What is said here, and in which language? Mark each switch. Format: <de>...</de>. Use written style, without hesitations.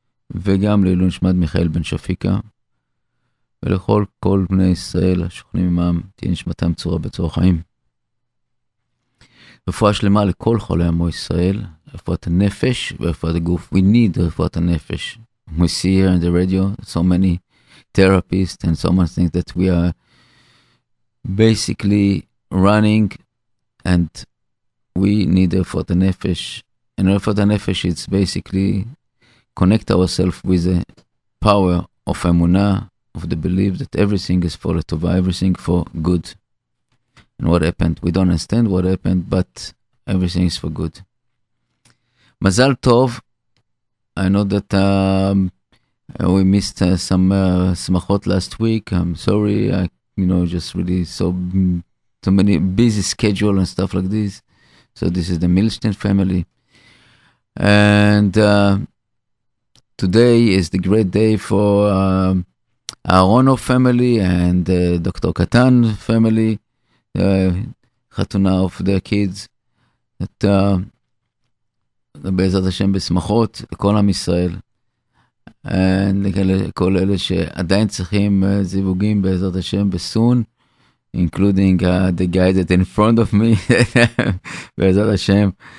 <he>וגם לעילוי נשמת מיכאל בן שפיקה, ולכל כל בני ישראל השוכנים עמם, תהיה נשמתם צורה בצור החיים. רפואה שלמה לכל חולי עמו ישראל, רפואת הנפש ורפואת הגוף.</he> <en>We need</en> <he>רפואת הנפש.</he> <en>We see here in the radio so many therapists and so many things that we are basically running, and we need</en> <he>רפואת הנפש.</he> <en>And</en> <he>רפואת הנפש</he> <en>is basically connect ourselves with the power of emunah, of the belief that everything is for letovah, everything for good. And what happened? We don't understand what happened, but everything is for good. Mazal tov. I know that we missed some smachot last week. I'm sorry. Just really so many busy schedule and stuff like this. So this is the Milstein family. And today is the great day for Aharonov family and Dr. Katan family.</en> <he>חתונה</he> <en>of their kids, that</en> <he>בעזרת השם בשמחות לכל עם ישראל, and לכל אלה שעדיין צריכים זיווגים בעזרת השם בסון,</he> <en>including the guy that in front of me</en> <he>בעזרת השם,</he>